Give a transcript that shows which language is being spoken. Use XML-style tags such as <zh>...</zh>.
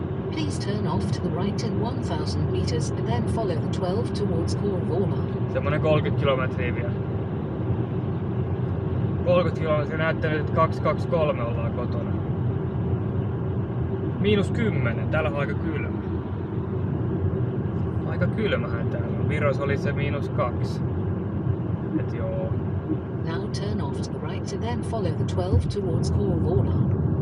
<en>Please turn off to the right in 1000 meters and then follow the 12 towards Corvola.</en> <fi>Semmonen 30 kilometriä vielä. 30 kilometriä näyttää nyt, että 223 ollaan kotona. Miinus 10, täällä on aika kylmä. Aika kylmähän täällä on. Viros oli se miinus 2. Et joo.</fi> <en>Now turn off to the right and then follow the 12 towards Corvola.</en>